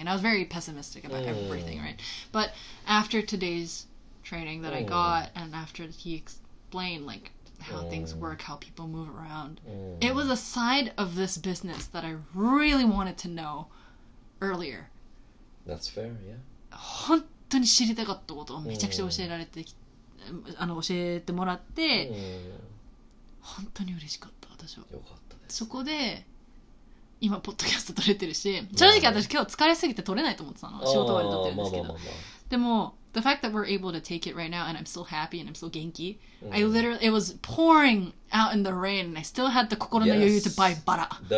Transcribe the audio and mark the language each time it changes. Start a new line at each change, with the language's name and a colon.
English: And I was very pessimistic about everything, right? But after today's training that I got, and after he explained, like, how things work, how people move around, it was a side of this business that I really wanted to know earlier. That's fair, yeah.
Japanese: 本当に知りたかったことをめちゃくちゃ教えられて、あの教えてもらって、本当に嬉しかった私は。よかったです。そこで今ポッドキャスト撮れてるし、正直私今日疲れすぎて撮れないと思ってたの、仕事終わり撮ってるんですけど。でも
English: the fact that we're able to take it right now and I'm still happy and I'm still 元気、I literally it was pouring out in the rain and I still had the
Japanese: 心の余裕
English: to buy バラ。